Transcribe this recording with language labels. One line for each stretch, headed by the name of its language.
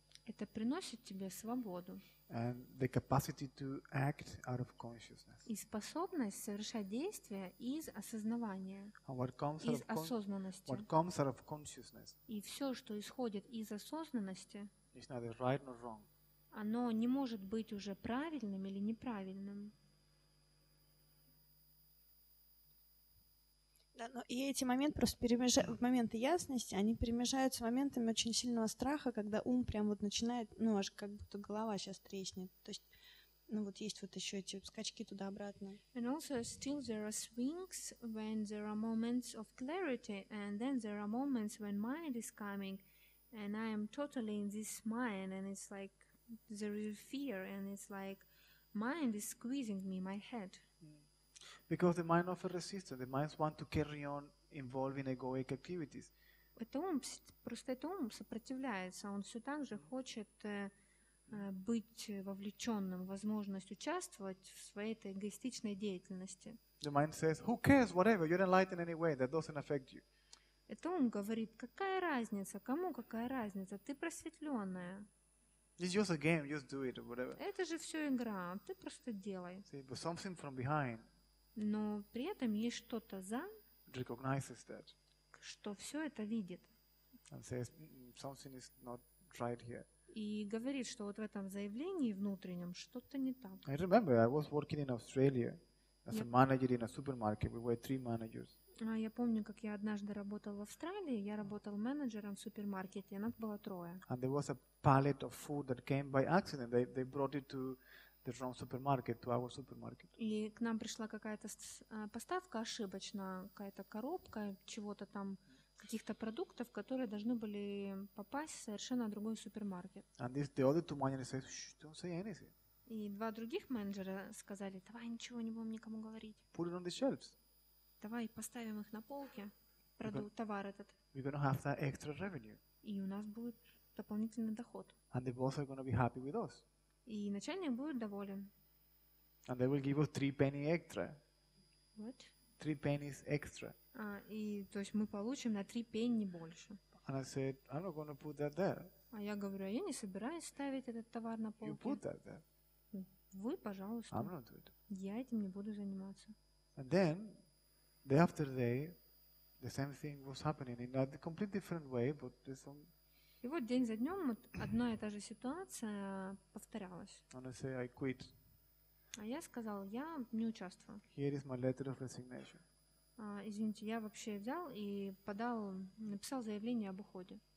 Russian: Это приносит тебе свободу.
English: And the capacity to act out of consciousness.
Russian: И способность совершать действия из осознавания, из осознанности.
English: What comes out of consciousness.
Russian: И все, что исходит из осознанности,
English: is neither right nor wrong.
Russian: Оно не может быть уже правильным или неправильным. Да, но и эти моменты просто перемежаются, моменты ясности, они перемежаются моментами очень сильного страха, когда ум прям вот начинает, ну, аж как будто голова сейчас треснет. То есть, ну, вот есть вот еще эти скачки туда-обратно.
English: And also still there are swings when there are moments of clarity, and then there are moments when mind is coming, and I am totally in this mind, and it's like there is fear, and it's like mind is squeezing me, my head. Because the mind offers resistance, the mind wants to carry on involving egoic activities.
Russian: Это ум, просто это ум сопротивляется, он все так же хочет быть вовлеченным, возможность участвовать в своей этой эгоистичной деятельности.
English: The mind says, who cares, whatever, you're enlightened anyway, that doesn't affect you.
Russian: Это ум говорит, какая разница, кому какая разница, ты просветленная.
English: It's just a game, just do it, or whatever.
Russian: Это же все игра, ты просто делай.
English: See, but something from behind.
Russian: Но при этом есть что-то за,
English: recognizes that,
Russian: что все это видит.
English: And says, something is not right here.
Russian: И говорит, что вот в этом заявлении внутреннем что-то не так.
English: I remember I was working in Australia as a manager in a supermarket. We were three managers.
Russian: Я помню, как я однажды работала в Австралии, я работала менеджером в супермаркете, и нас было трое.
English: And there was a pallet of food that came by accident. They brought it to the wrong supermarket, to our supermarket.
Russian: И к нам пришла какая-то поставка ошибочно, какая-то коробка чего-то там, каких-то продуктов, которые должны были попасть в совершенно другой супермаркет.
English: And the other two managers said, "Shh, don't say anything."
Russian: И два других менеджера сказали, давай ничего не будем никому говорить.
English: Put it on the shelves.
Russian: Давай поставим их на полке, товар этот.
English: We're gonna have that extra revenue.
Russian: И у нас будет дополнительный доход.
English: And the boss are gonna be happy with us.
Russian: И начальник будет доволен.
English: And they will give us 3 pennies extra. What? 3 pennies extra.
Russian: И то есть мы получим на 3 пенни больше.
English: And I said, I'm not gonna put that there.
Russian: А я говорю, я не собираюсь ставить этот товар на полке.
English: You put that there.
Russian: Вы, пожалуйста.
English: I'm not doing it.
Russian: Я этим не буду заниматься.
English: And then, day after day, the same thing was happening in a completely different way, but this one.
Russian: И вот день за днем одна и та же ситуация повторялась.
English: And I say I quit.
Russian: А я сказал, я не участвую.
English: Here is my letter of resignation.
Russian: Извините, я вообще взял и подал, написал заявление об уходе.